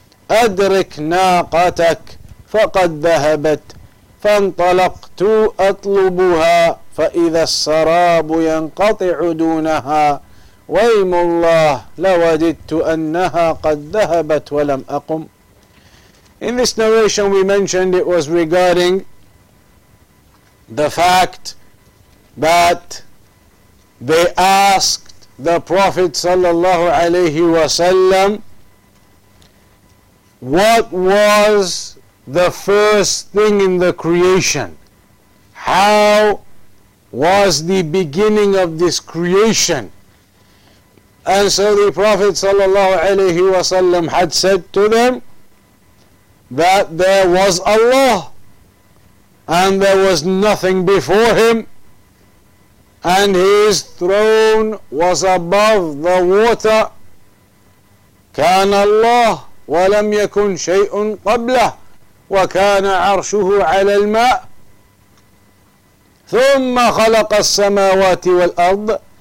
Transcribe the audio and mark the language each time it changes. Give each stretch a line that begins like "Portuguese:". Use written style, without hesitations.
Arabic: أدرك ناقتك فقد ذهبت فانطلقت أطلبها فإذا السراب ينقطع دونها ويم الله لوددت أنها قد ذهبت ولم أقم.
English: In this narration we mentioned it was regarding the fact that they asked the Prophet sallallahu alayhi wa sallam what was the first thing in the creation, how was the beginning of this creation. And so the Prophet sallallahu alayhi wa sallam had said to them that there was Allah and there was nothing before him, and his throne was above the water.
Arabic: كان الله ولم يكن شيء قبله وكان عرشه على الماء ثم خلق السماوات والأرض.